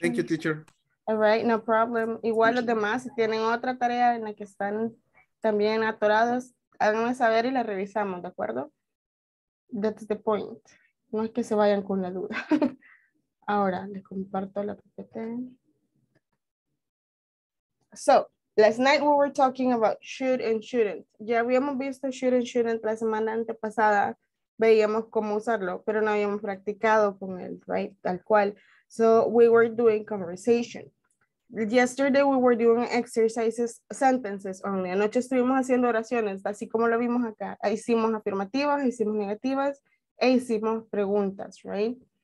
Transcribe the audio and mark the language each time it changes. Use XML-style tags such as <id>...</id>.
<en>Thank you, teacher. All right, no problem.</en> <es>Igual los demás, si tienen otra tarea en la que están también atorados, háganme saber y la revisamos, ¿de acuerdo?</es> <en>That's the point.</en> <es>No es que se vayan con la duda. Ahora, les comparto la PPT.</es> <en>So, last night we were talking about should and shouldn't.</en> <es>Ya habíamos visto should and shouldn't la semana antepasada. Veíamos cómo usarlo, pero no habíamos practicado con él, right? Tal cual.</es> <en>So we were doing conversation. Yesterday we were doing exercises, sentences only.</en> <es>Anoche estuvimos haciendo oraciones, así como lo vimos acá. Hicimos afirmativas, hicimos negativas e hicimos preguntas, right?</es>